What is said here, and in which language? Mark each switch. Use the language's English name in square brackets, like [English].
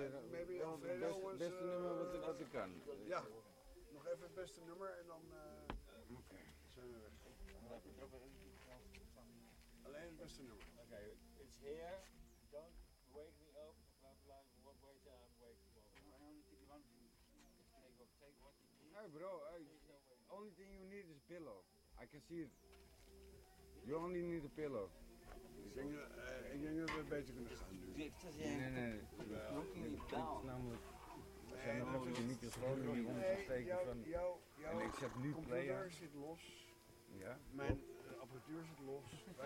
[English] Maybe I'll do the best number what I can. Yeah. [Dutch] Nog even het beste nummer en dan zijn we weg. Alleen het beste nummer. [English] Okay, it's here. Don't wake me up. Wait, I'm waking up. Hey bro, only thing you need is pillow. I can see it. You only need a pillow. [Dutch] Ik denk dat we beter kunnen gaan nu. Nee. Het is namelijk. Ik heb de microfoon in die van. En ik zet nu play. Mijn computer zit los. Ja? Mijn apparatuur zit los.